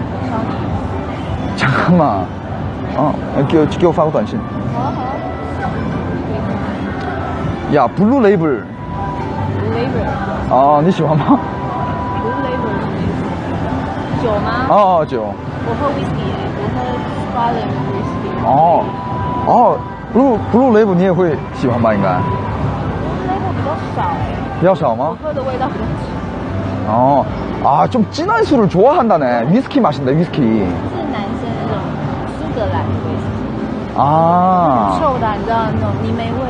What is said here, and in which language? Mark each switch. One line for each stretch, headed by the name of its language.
Chinese: 超长。
Korean: 잠깐만，
Chinese: 给我发个短信。好啊，好啊。呀 ，Blue Label。 Blue Label。哦，你喜欢吗？Blue Label 什么意思？酒吗？哦，酒。我喝 Whisky， 我喝 Scotland Whisky。哦，哦 ，Blue Label 你也会喜欢吧？应该。 Blue Label 比较少哎。比较少吗？我喝的味道很浅。哦。
Korean: 아좀진한술을좋아한다네위스키마신다위스키 진한술은
Chinese: 苏格兰的威士忌 아 很臭的你知道那种泥煤味